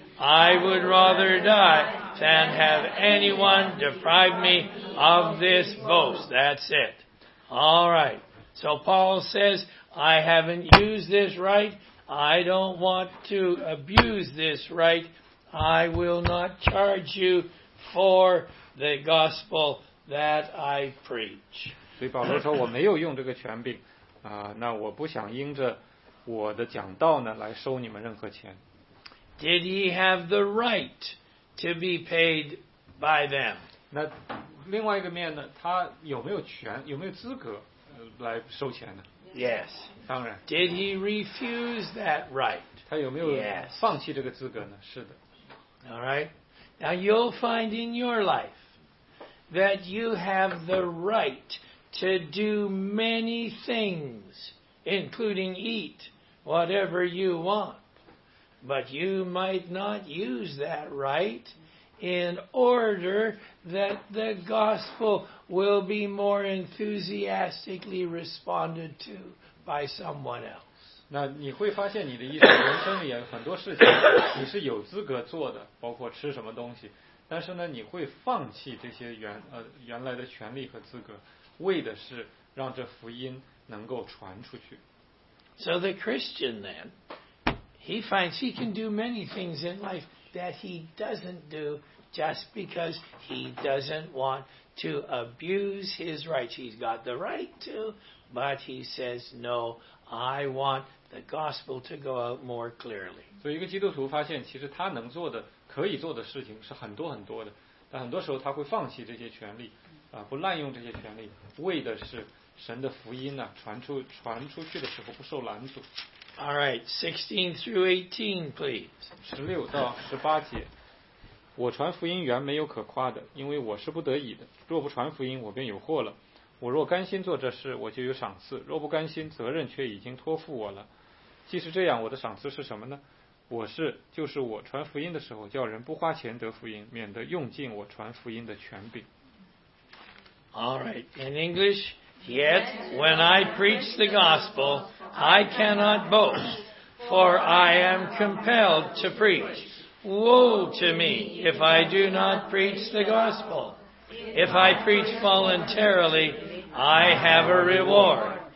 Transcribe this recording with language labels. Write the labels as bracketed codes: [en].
[en] I would rather die than have anyone deprive me of this boast. That's it. All right. So Paul says, I haven't used this right. I don't want to abuse this right. I will not charge you for the gospel that I preach. [zh] 所以保罗说，我没有用这个权柄，那我不想因着我的讲道呢来收你们任何钱。 [en] Did he have the right to be paid by them? [zh] 那另外一个面呢，他有没有权，有没有资格来收钱呢？ [en] Yes. [zh] 当然。 [en] Did he refuse that right? [zh] 他有没有放弃这个资格呢？是的。 [en] All right. Now you'll find in your life that you have the right to do many things, including eat whatever you want. But you might not use that right in order that the gospel will be more enthusiastically responded to by someone else. [zh] 那你会发现你的一生人生里很多事情你是有资格做的，包括吃什么东西，但是呢你会放弃这些原来的权利和资格，为的是让这福音能够传出去。 [en] So the Christian then, he finds he can do many things in life that he doesn't do just because he doesn't want to abuse his rights. He's got the right to, but he says, no, I want the gospel to go out more clearly. [zh] 所以一个基督徒发现其实他能做的可以做的事情是很多很多的，但很多时候他会放弃这些权利，不滥用这些权利，为的是神的福音呢，传出去的时候不受拦阻。 [en] All right, 16 through 18, please. [zh] 16到18节。我传福音原没有可夸的，因为我是不得已的。若不传福音，我便有祸了。我若甘心做这事，我就有赏赐；若不甘心，责任却已经托付我了。即使这样，我的赏赐是什么呢？我是，就是我传福音的时候，叫人不花钱得福音，免得用尽我传福音的权柄。 [en] All right, in English, yet when I preach the gospel, I cannot boast, for I am compelled to preach. Woe to me if I do not preach the gospel. If I preach voluntarily, I have a reward.